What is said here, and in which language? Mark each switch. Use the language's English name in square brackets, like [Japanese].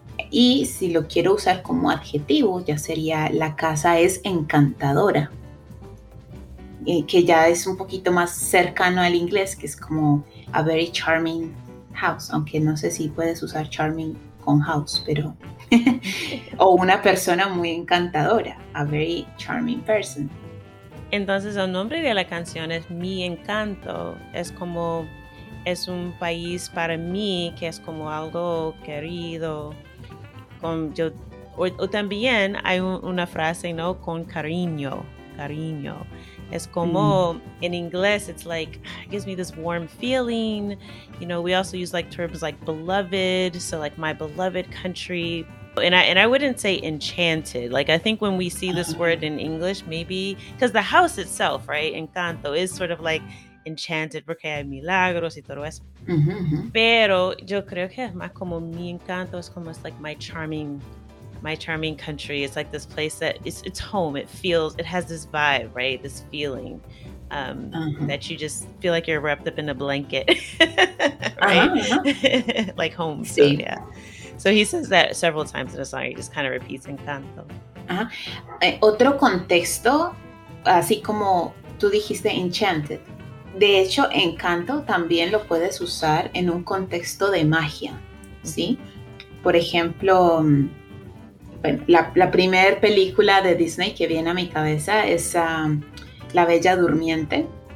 [Spanish] Y si lo quiero usar como adjetivo, ya sería la casa es encantadora, que ya es un poquito más cercano al inglés, que es como [English] a very charming house, [Spanish] aunque no sé si puedes usar charming con house, pero o una persona muy encantadora, [English] a very charming person. [Spanish] Entonces el nombre de la canción es Mi Encanto, es como es un país para mí que es como algo querido con yo, o también hay una frase, ¿no? Con cariño, cariño. Es como, [English] in English, it's like, it gives me this warm feeling. You know, we also use like terms like beloved, so like my beloved country. And I wouldn't say enchanted. Like, I think when we see this word in English, maybe, because the house itself, right, encanto, is sort of like enchanted [Spanish] porque hay milagros y todo eso. Pero yo creo que es más como mi encanto, es como, [English] it's like my charming country. It's like this place that it's home. It feels, it has this vibe, right? This feeling that you just feel like you're wrapped up in a blanket, right? Uh-huh. Like home. [Spanish] Sí. [English] So, yeah. So he says that several times in a song. He just kind of repeats encanto. [Spanish] Otro contexto, así como tú dijiste enchanted. De hecho, encanto también lo puedes usar en un contexto de magia, ¿sí? Por ejemplo, La primera película de Disney que viene a mi cabeza es La Bella Durmiente.